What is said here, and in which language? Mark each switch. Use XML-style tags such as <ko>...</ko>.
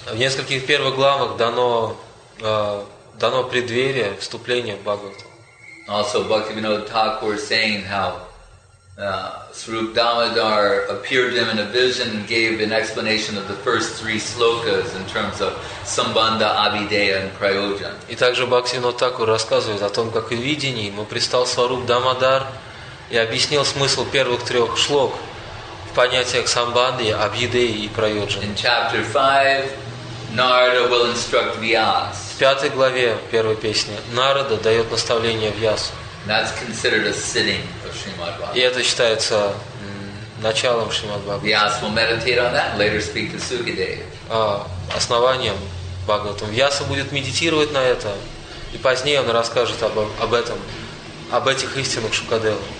<ru>В нескольких первых главах дано преддверие, вступление в Бхагаватам.</ru> <en>Also, Bhaktivinoda Thakur saying how Sarup Damodar appeared to him in a vision and gave an explanation of the first three slokas in terms of Sambandha, Abhideya, and Prayojan.</en> <ru>И также Бхактивинода Такур рассказывает о том, как в видении ему пристал Сваруп Дамодар и объяснил смысл первых трех шлок в понятиях Самбанды, Абхидеи и Прайоджан.</ru> <en>In chapter 5, Narada will instruct Vyas.</en> <ru>В пятой главе первой песни Нарада дает наставление Вьясу.</ru> <en>That's considered a sitting of Srimad Bhagavatam.</en> <ru>И это считается началом Шримад Бхагаватам.</ru> <en>Vyasa will meditate on that and later speak to Sukadeva.</en> <ru>Основанием Бхагаватам. Вьяса будет медитировать на это, и позднее он расскажет об этом, об этих истинах Шукадева.</ru>